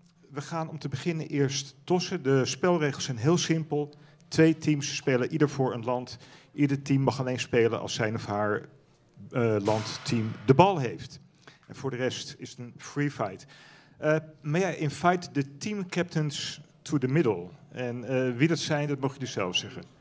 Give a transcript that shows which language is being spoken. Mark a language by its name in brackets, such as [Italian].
[Dutch] We gaan om te beginnen eerst tossen. De spelregels zijn heel simpel. Twee teams spelen ieder voor een land. Ieder team mag alleen spelen als zijn of haar landteam de bal heeft. En voor de rest is het een free fight. [English] May I invite the team captains to the middle? [Dutch] En wie dat zijn, dat mag je dus zelf zeggen.